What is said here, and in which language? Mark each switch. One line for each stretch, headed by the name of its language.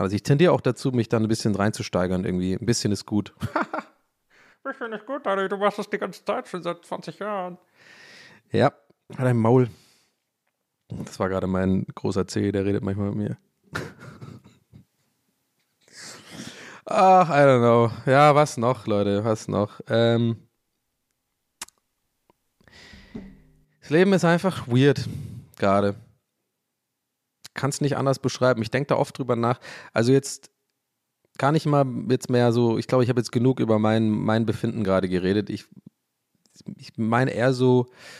German: Also ich tendiere auch dazu, mich dann ein bisschen reinzusteigern irgendwie. Ein bisschen ist gut. Ein bisschen ist gut, Daniel, du machst das die ganze Zeit schon seit 20 Jahren. Ja, halt ein Maul. Das war gerade mein großer Zeh, der redet manchmal mit mir.
English: Ach, I don't know.
German: Ja, was noch, Leute, was noch? Das Leben ist einfach weird, gerade. Kann's nicht anders beschreiben. Ich denke da oft drüber nach. Also jetzt gar nicht mal jetzt mehr so, ich glaube, ich habe jetzt genug über mein Befinden gerade geredet. Ich meine eher so